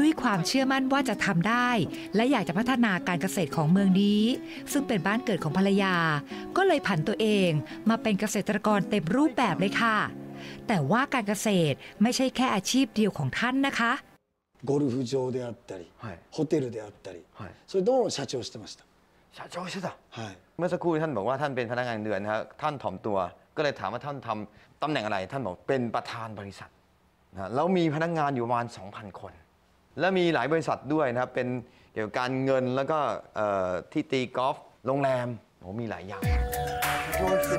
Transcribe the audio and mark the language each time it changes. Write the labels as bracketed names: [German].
[Thai] ความเชื่อมั่นว่าจะทำได้และอยากจะพัฒนาการเกษตรของเมืองนี้ซึ่งเป็นบ้านเกิดของภรรยาก็เลยผันตัวเองมาเป็นเกษตรกรเต็มรูปแบบเลยค่ะแต่ว่าการเกษตรไม่ใช่แค่อาชีพเดียวของท่านนะคะ [Japanese] ゴルフ場であったりホテルであったりそれとも社長してました社長してたはい [Thai] เมื่อสักครู่ท่านบอกว่าท่านเป็นพนักงานเดือนนะท่านถ่อมตัวก็เลยถามว่าท่านทำตำแหน่งอะไรท่านบอกเป็นประธานบริษัทนะแล้วมีพนักงานอยู่ประมาณ 2,000 คนและมีหลายบริษัทด้วยนะครับเป็นเกี่ยวกับการเงินแล้วก็ที่ตีกอล์ฟโรงแรมโอ้มีหลายอย่าง